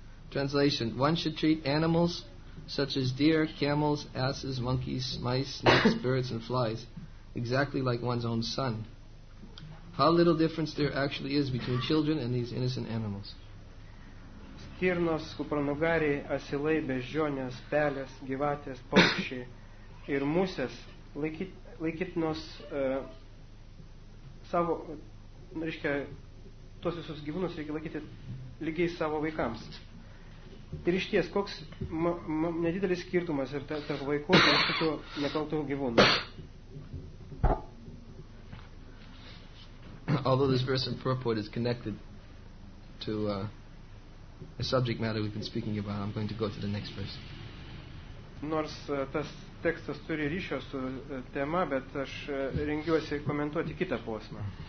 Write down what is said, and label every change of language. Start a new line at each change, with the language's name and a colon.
English: Translation: one should treat animals such as deer, camels, asses, monkeys, mice, snakes, birds, and flies exactly like one's own son. How little difference there actually is between children and these innocent animals.
Lithuanian: Stirnos, kupranugariai, asilai, beždžionės, pelės, gyvatės, paukščiai ir musės laikytinos savo, reiškia, tos visus gyvūnus reikia laikyti lygiai savo vaikams. Ir išties, koks nedidelis skirtumas ir tarp vaikų ir šitų nekaltų gyvūnų.
English: Although this verse and purport is connected to a subject matter we've been speaking about, I'm going to go to the next verse.
Lithuanian: Nors tas tekstas turi ryšio su tema, bet aš rengiuosi komentuoti kitą posmą.